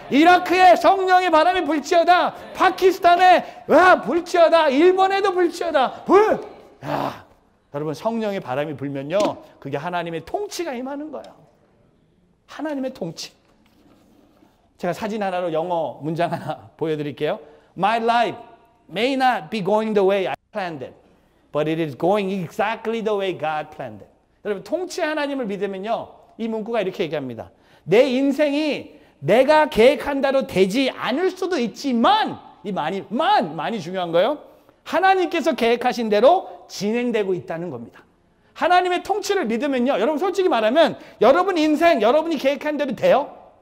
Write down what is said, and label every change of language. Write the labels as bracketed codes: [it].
[ko] 이라크에 성령의 바람이 불지어다. 파키스탄에 와 불지어다. 일본에도 불지어다. 불! 야, 여러분 성령의 바람이 불면요. 그게 하나님의 통치가 임하는 거예요. 하나님의 통치. 제가 사진 하나로 영어 문장 하나 보여드릴게요. [en] My life may not be going the way I planned it, but it is going exactly the way God planned it. [ko] 여러분 통치 하나님을 믿으면요. 이 문구가 이렇게 얘기합니다. 내 인생이 내가 계획한 대로 되지 않을 수도 있지만 이 많이 중요한 거예요. 하나님께서 계획하신 대로 진행되고 있다는 겁니다. 하나님의 통치를 믿으면요. 여러분 솔직히 말하면 여러분 인생 여러분이 계획한 대로 돼요?